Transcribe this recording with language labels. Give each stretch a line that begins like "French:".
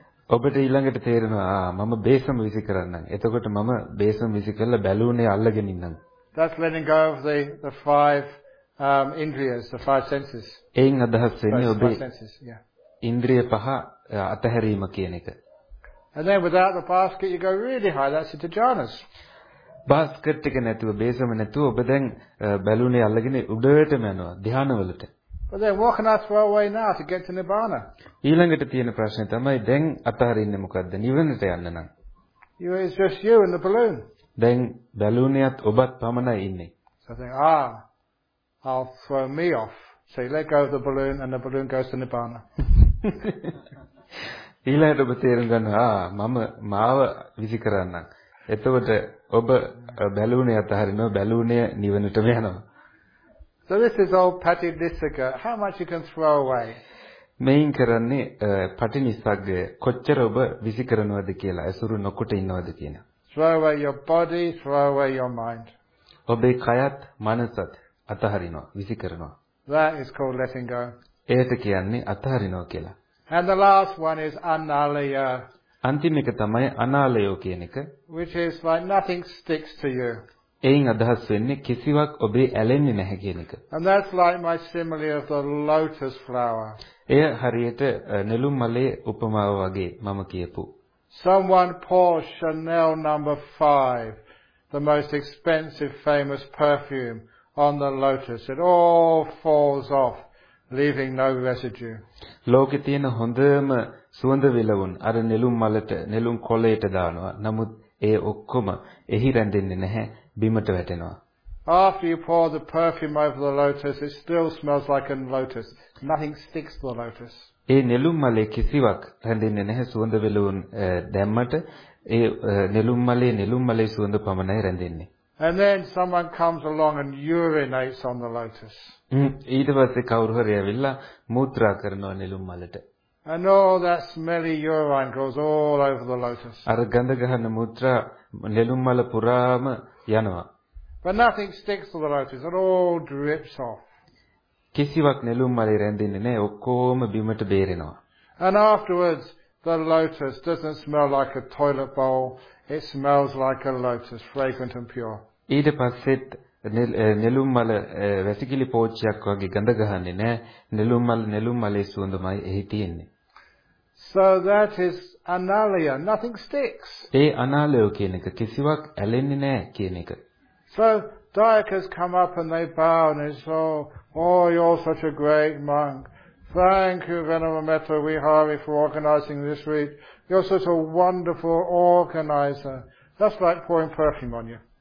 Sinhala: ඔබට ඊළඟට තේරෙනවා මම බේසම විසි කරන්නම්. එතකොට මම බේසම විසි කරලා බැලුනේ අල්ලගෙන ඉන්නම්.
English: That's letting go of the five indriyas, the five senses.
Sinhala: එයින් අදහස් වෙන්නේ ඔබේ
English: senses, yeah.
Sinhala: ඉන්ද්‍රිය පහ අතහැරීම කියන එක.
English: And then without the basket you go really high, that's into jhanas.
Sinhala: Basket එක නැතුව, බේසම නැතුව ඔබ දැන් බැලුනේ අල්ලගෙන උඩටම යනවා ධානවලට.
English: But then what can I throw away now to get to nibbana?
Sinhala: ඊළඟට තියෙන ප්‍රශ්නේ තමයි දැන් අතහරින්නේ මොකද්ද? නිවනට යන්න නම්.
English: You are just you and the balloon.
Sinhala: දැන් බැලුනියත් ඔබත් පමණයි ඉන්නේ.
English: So then, I'll throw me off. So you let go of the balloon and the balloon goes to nibbana.
Sinhala: ඊළඟට ඔබ තේරුම් ගන්නවා මම මාව විසි කරන්නම්. එතකොට ඔබ බැලුනේ අතහරිනවා, බැලුනේ නිවනටම යනවා.
English: So this is all patinissaka. How much you can throw away?
Sinhala: මේන් කරන්නේ පටිනිස්සග්ගය. කොච්චර ඔබ විසි කරනවද කියලා, ඇසුරු නොකොට ඉන්නවද කියන.
English: Throw away your body, throw away your mind.
Sinhala: ඔබේ කයත් මනසත් අතහරිනවා, විසි කරනවා.
English: That is called letting go.
Sinhala: ඒක කියන්නේ අතහරිනවා කියලා.
English: And the last one is analaya.
Sinhala: අන්තිම එක තමයි අනාලයෝ කියන එක.
English: Which is like nothing sticks to you.
Sinhala: එයින් අදහස් වෙන්නේ කිසිවක් ඔබේ ඇලෙන්නේ නැහැ කියන එක.
English: And that's like my simile of the lotus flower.
Sinhala: එය හරියට නෙළුම් මලේ උපමාව වගේ මම කියපු.
English: Someone pours Chanel number 5, the most expensive famous perfume, on the lotus. It all falls off, leaving no residue.
Sinhala: ලෝකෙ තියෙන හොඳම සුවඳ විලවුන් අර නෙළුම් මලට, නෙළුම් කොළයට දානවා. නමුත් ඒ ඔක්කොම එහි රැඳෙන්නේ නැහැ, බිමට වැටෙනවා.
English: After you pour the perfume over the lotus, it still smells like a lotus. Nothing sticks to the lotus.
Sinhala: ඒ නෙළුම් මලේ කිසිවක් රැඳෙන්නේ නැහැ. සුවඳ විලවුන් දැම්මට ඒ නෙළුම් මලේ සුවඳ පමණයි රැඳෙන්නේ.
English: And then someone comes along and urinates on the lotus.
Sinhala: ඊට පස්සේ කවුරු හරි ඇවිල්ලා මූත්‍රා කරනවා නෙළුම් මලට.
English: And all that smelly urine goes all over the lotus.
Sinhala: අර ගඳ ගන්න මූත්‍රා නෙළුම් මල පුරාම යනවා.
English: But nothing sticks to the lotus. It all drips off.
Sinhala: කිසිවක් නෙළුම් මලේ රැඳෙන්නේ නැහැ. ඔක්කොම බිමට බේරෙනවා.
English: And afterwards the lotus doesn't smell like a toilet bowl. It smells like a lotus, fragrant and pure.
Sinhala: ඊට පස්සෙත් නෙළුම් මල වැසිකිලි පෝච්චයක් වගේ ගඳ ගහන්නේ නැහැ. නෙළුම් මලේ සුවඳමයි එහි තියෙන්නේ.
English: So that is analaya. Nothing sticks.
Sinhala: ඒ අනාලය කියන එක කිසිවක් ඇලෙන්නේ නැහැ කියන එක.
English: So dayakas come up and they bow and they say, "Oh, you're such a great monk. Thank you, Venerable Metta Vihari, for organizing this retreat. You're such a wonderful organizer." That's like pouring perfume on you.